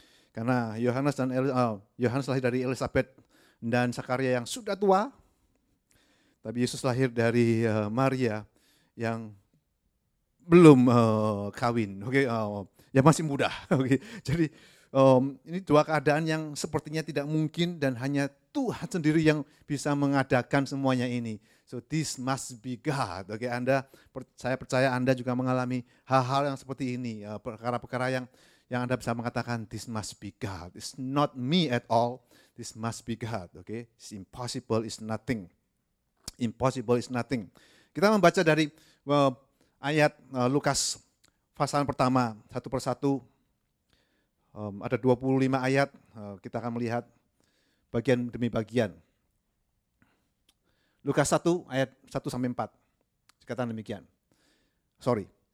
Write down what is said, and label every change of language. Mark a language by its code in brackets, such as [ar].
[id] Karena Yohanes dan Yohanes lahir dari Elizabeth dan Zakaria yang sudah tua, tapi Yesus lahir dari Maria yang belum kawin, oke? Okay? Yang masih muda, oke? Okay? Jadi ini dua keadaan yang sepertinya tidak mungkin, dan hanya Tuhan sendiri yang bisa mengadakan semuanya ini. [en] So this must be God, oke? Okay? [id] Anda, saya percaya Anda juga mengalami hal-hal yang seperti ini, perkara-perkara yang Anda bisa mengatakan, [en] this must be God. It's not me at all. This must be God. Okay? It's impossible is nothing. Impossible is nothing. [id] Kita membaca dari ayat Lukas pasal pertama, satu per satu. Ada 25 ayat. Kita akan melihat bagian demi bagian. Lukas 1 ayat 1 sampai 4. Dikatakan demikian. Sorry.